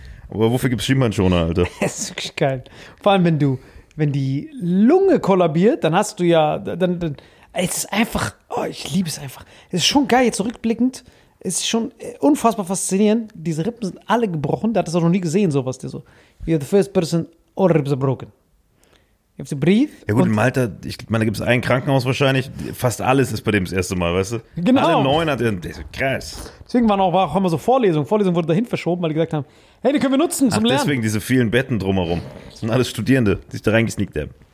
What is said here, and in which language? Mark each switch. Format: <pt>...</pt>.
<de>Aber wofür gibt es Schienbeinschoner, Alter? Das ist wirklich geil. Vor allem, wenn die Lunge kollabiert, dann hast du ja, dann es ist einfach, oh, ich liebe es einfach. Es ist schon geil, jetzt zurückblickend, es ist schon unfassbar faszinierend. Diese Rippen sind alle gebrochen, der hat das auch noch nie gesehen, sowas. Der so,</de> <en>you're the first person, all ribs are broken.</en> <de>Gibt's einen Brief? Ja gut, in Malta, ich meine, da gibt es ein Krankenhaus wahrscheinlich. Fast alles ist bei dem das erste Mal, weißt du? Genau. Alle 9 hat er, krass. Deswegen war auch immer so Vorlesungen. Vorlesungen wurden dahin verschoben, weil die gesagt haben, hey, die können wir nutzen zum Lernen. Deswegen diese vielen Betten drumherum. Das sind alles Studierende, die sich da reingesneakt haben.</de>